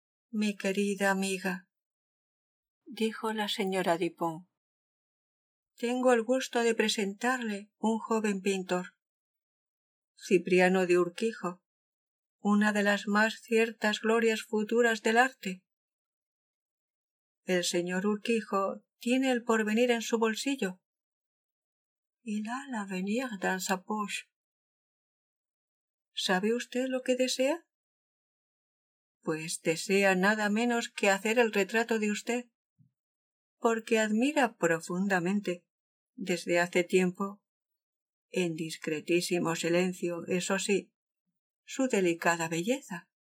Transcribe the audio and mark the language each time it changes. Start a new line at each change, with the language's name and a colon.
Spanish: Mi querida amiga, dijo la señora Dupont, tengo el gusto de presentarle un joven pintor, Cipriano de Urquijo, una de las más ciertas glorias futuras del arte. El señor Urquijo tiene el porvenir en su bolsillo.
French: Il a l'avenir dans sa poche.
Spanish: ¿Sabe usted lo que desea? Pues desea nada menos que hacer el retrato de usted, porque admira profundamente, desde hace tiempo, en discretísimo silencio, eso sí, su delicada belleza.